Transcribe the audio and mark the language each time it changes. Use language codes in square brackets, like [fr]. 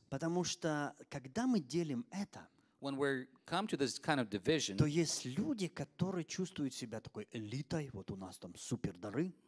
[ru] Потому что когда мы делим это, [en] when we come to this kind of division, [ru] то есть люди, которые чувствуют себя такой элитой, вот у нас там супердары.